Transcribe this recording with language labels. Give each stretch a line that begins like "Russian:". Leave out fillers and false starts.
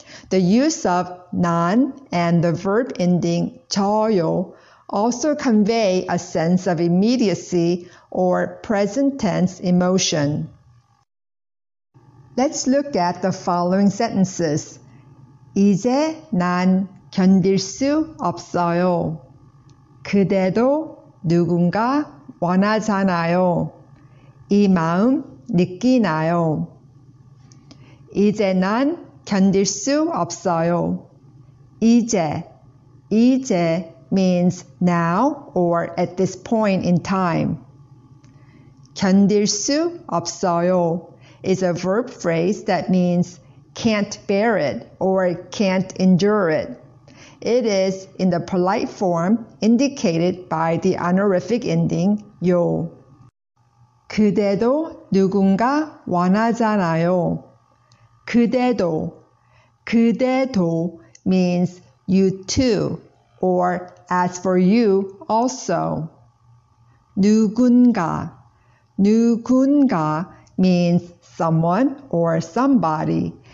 English: The use of 난 and the verb ending 저요 also convey a sense of immediacy or present tense emotion. Let's look at the following sentences.
Korean: 이제 난 견딜 수 없어요. 그대도 누군가 원하잖아요. 이 마음 느끼나요? 이제 난 견딜 수 없어요. 이제, 이제
English: means now or at this point in time.
Korean: 견딜 수 없어요
English: is a verb phrase that means can't bear it or can't endure it. It is in the polite form indicated by the honorific ending 요.
Korean: 그대도 누군가 원하잖아요. 그대도, 그대도
English: means you too, or as for you also.
Korean: 누군가, 누군가
English: means someone or somebody.